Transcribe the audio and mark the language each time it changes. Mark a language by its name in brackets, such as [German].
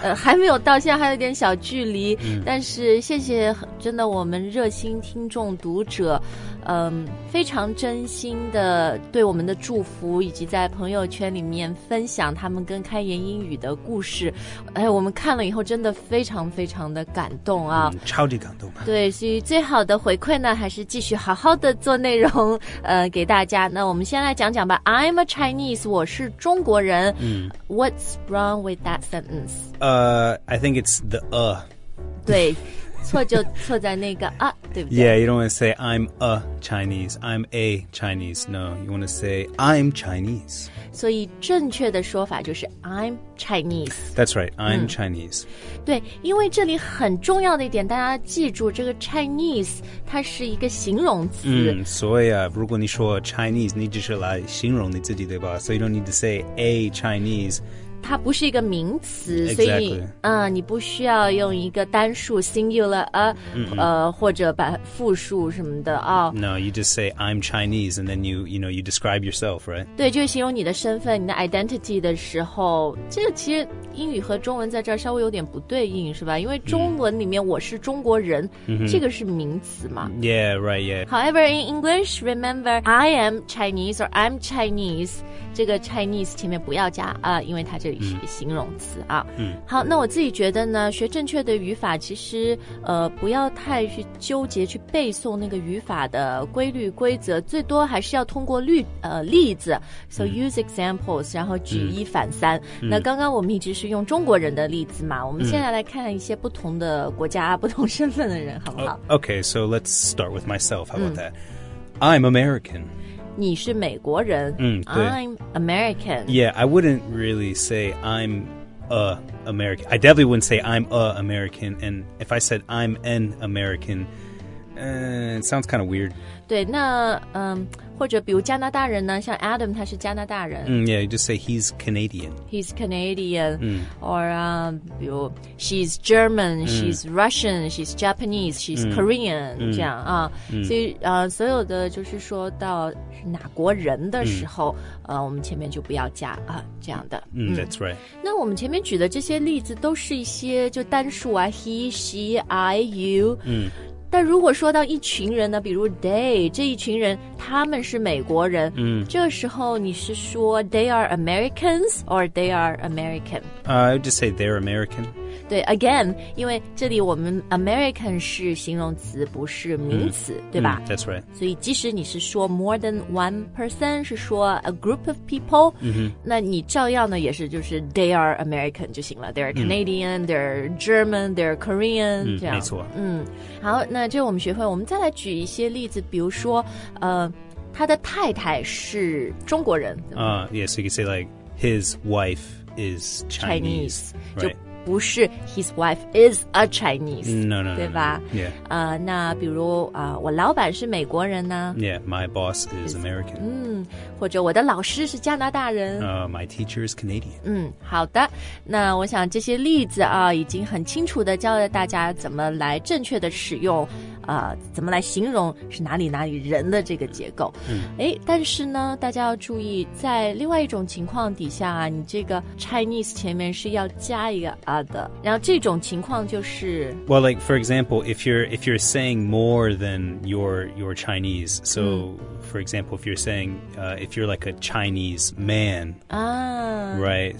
[Chinese] 还没有到，现在还有点小距离、但是谢谢真的我们热心听众读者非常真心的对我们的祝福，以及在朋友圈里面分享他们跟开言英语的故事，我们看了以后真的非常非常的感动啊、超级感动吧。对，所以最好的回馈呢还是继续好好的做内容给大家。那我们先来讲讲吧， [English] I'm a Chinese, [Chinese] 我是中国人。 [English] What's wrong with that sentence? I think it's the [Chinese] 对，错就错在那个对不对？ [English] Yeah, you don't want to say I'm a Chinese, I'm a Chinese. No, you want to say I'm Chinese. [Chinese] 所以正确的说法就是 [English] I'm Chinese. That's right, I'm Chinese. [Chinese] 对，因为这里很重要的一点，大家记住这个 Chinese, 它是一个形容词。所以啊，如果你说 Chinese, 你只是来形容你自己，对吧？ [English] So you don't need to say a Chinese. [Chinese] 它不是一个名词、 [English] exactly. [Chinese] 所以你不需要用一个单数 singular, 或者把复数什么的啊、 [English] No, you just say I'm Chinese and then you know, you describe yourself, right? [Chinese] 对，就是形容你的身份，你的 identity 的时候，这个其实英语和中文在这儿稍微有点不对应，是吧？因为中文里面我是中国人、这个是名词嘛。 [English] Yeah, right, yeah. However, in English, remember, I am Chinese or I'm Chinese, [Chinese] 这个 Chinese 前面不要加啊、因为它这里是一个形容词啊。好，那我自己觉得呢，学正确的语法其实不要太去纠结去背诵那个语法的规律规则，最多还是要通过例子 [English] so use examples, [Chinese] 然后举一反三。那刚刚我们一直是用中国人的例子嘛，我们现在来看一些不同的国家不同身份的人好不好、 [English] Okay, so let's start with myself, how about that? I'm American. [Chinese] 你是美国人、 [English] I'm American. Yeah, I wouldn't really say I'm a American. I definitely wouldn't say I'm a American. And if I said I'm an American, it sounds kind of weird. [Chinese] 对，那或者比如加拿大人呢，像 Adam 他是加拿大人。 [English] Yeah, you just say he's Canadian. He's Canadian. Or 比如 she's German, she's Russian, she's Japanese, she's Korean, 这样啊。 [Chinese] 所以所有的就是说到哪国人的时候我们前面就不要加这样的。 [English] That's right. [Chinese] 那我们前面举的这些例子都是一些就单数啊 [English] he, she, I, you。 [Chinese] 但如果说到一群人呢，比如 they 这一群人，他们是美国人。这时候你是说 [English] they are Americans or they are American? I would just say they're American. [Chinese] 对 ，again， 因为这里我们 American 是形容词，不是名词，对吧 [English] ？That's right. [Chinese] 所以即使你是说 [English] more than one person， [Chinese] 是说 [English] a group of people， [Chinese] 那你照样呢也是就是 [English] they are American [Chinese] 就行了。 [English] They're Canadian,they're German, they're Korean， [Chinese] 这样。没错。好。那这我们学会，我们再来举一些例子，比如说，他的太太是中国人。 [English] Yes, you can say like his wife is Chinese, Chinese、 right. [Chinese] 就不是 [English] his wife is a Chinese. No. [Chinese] 对吧 [English] Yeah. [Chinese] 那比如我老板是美国人呢 [English] Yeah, my boss is American. [Chinese] 或者我的老师是加拿大人。 [English] My teacher is Canadian. [Chinese] 好的。那我想这些例子已经很清楚地教了大家怎么来正确地使用怎么来形容是哪里哪里人的这个结构。但是呢大家要注意在另外一种情况底下你这个 Chinese 前面是要加一个 other。然后这种情况就是。 [English] Well, like, for example, if you're saying more than your Chinese, so,for example, if you're saying, if you're like a Chinese man,right?